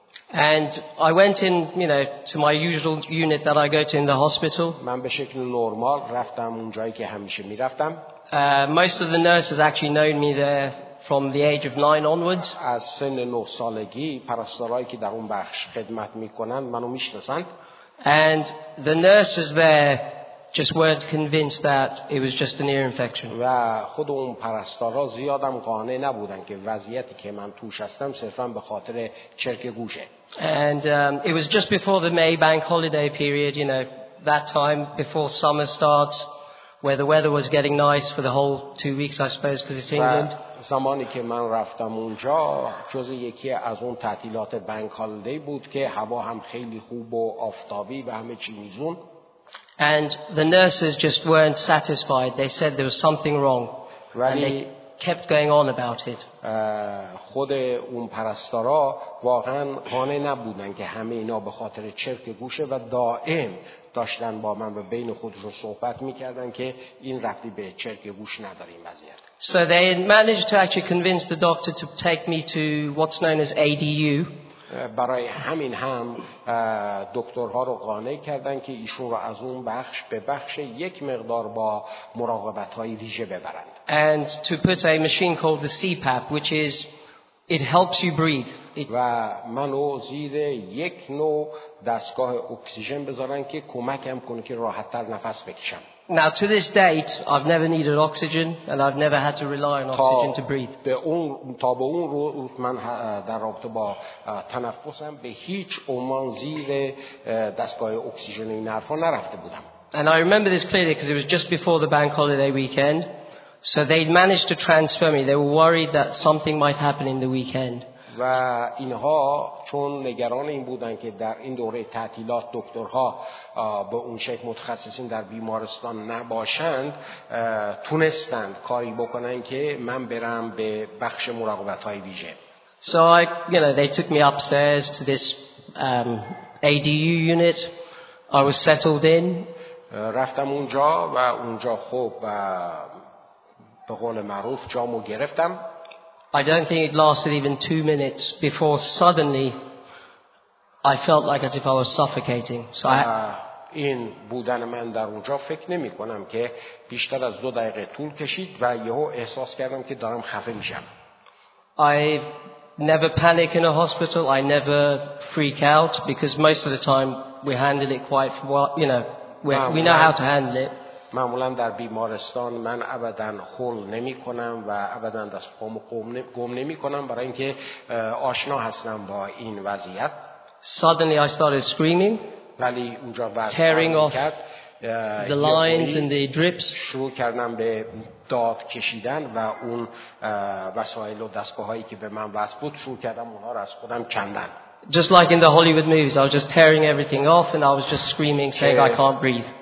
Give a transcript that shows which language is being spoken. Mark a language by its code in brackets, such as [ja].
[en] And I went in, you know, to my usual unit that I go to in the hospital. [fa] من به شکل نرمال رفتم اون جایی که همیشه می‌رفتم. [en] Most of the nurses actually known me there from the age of 9 onwards. [fa] از سن 9 سالگی پرستارایی که در اون بخش خدمت می‌کنن منو می‌شناسن. [en] And the nurses there just weren't convinced that it was just an ear infection. [fa] و خود اون پرستارا زیادم قانع نبودن که وضعیتی که من توش هستم صرفاً به خاطر چرک گوشه. [en] And it was just before the May bank holiday period, you know, that time before summer starts where the weather was getting nice for the whole 2 weeks I suppose because it's England. [fa] زمانی که من رفتم اونجا جز یکی از اون تعطیلات بنک هالیدی بود که هوا هم خیلی خوب و آفتابی و همه چی میزون. [en] And the nurses just weren't satisfied. They said there was something wrong, and they kept going on about it. [fa] خود اون پرستارا واقعا قانع نبودن که همه اینا به خاطر چرک گوشه و دائم داشتن با من و بین خودشون صحبت میکردن که این ربطی به چرک گوش نداره این وضعیت. [en] So they managed to actually convince the doctor to take me to what's known as ADU. [fa] برای همین هم دکترها رو قانع کردن که ایشون رو از اون بخش به بخش یک مقدار با مراقبت‌های ویژه ببرند. [en] And to put a machine called the CPAP, which is it helps you breathe. [fa] و منو زیر یک نوع دستگاه اکسیژن بذارن که کمکم کنه که راحت‌تر نفس بکشم. [en] Now to this date I've never needed oxygen and I've never had to rely on oxygen to breathe. [fa] به اون تا به اون روز من در رابطه با تنفسم به هیچ عنوان زیر دستگاه اکسیژن این حرفا نرفته بودم. [en] And I remember this clearly because it was just before the bank holiday weekend. So they'd managed to transfer me. They were worried that something might happen in the weekend. [fa] و اینها چون نگران این بودن که در این دوره تعطیلات دکترها به اون شکل متخصصین در بیمارستان نباشند تونستند کاری بکنن که من برم به بخش مراقبت‌های ویژه. [en] So I, you know, they took me upstairs to this ADU unit. I was settled in. [fa] رفتم اونجا و اونجا خوب به قول معروف جامو گرفتم. [en] I don't think it lasted even 2 minutes before suddenly I felt like as if I was suffocating. So I [fa] این بودن من در اونجا فکر نمی کنم که بیشتر از 2 دقیقه طول کشید و یهو احساس کردم که دارم خفه میشم. [en] I never panic in a hospital. I never freak out because most of the time we handle it quite well, you know. We know how to handle it. [fa] معمولا در بیمارستان من ابدا خول نمی کنم و ابدا دست خوم گم نمی کنم برای اینکه آشنا هستم با این وضعیت. [en] Suddenly I started screaming. [fa] ولی اونجا بعد [en] tearing off the lines and the drips. [fa] شروع کردم به داد کشیدن و اون وسایل و دستگاه‌هایی که به من وصل بود شروع کردم اونها رو از خودم کندن. [en] Just like in the Hollywood movies, I was just tearing everything off and I was just screaming, saying, I can't breathe.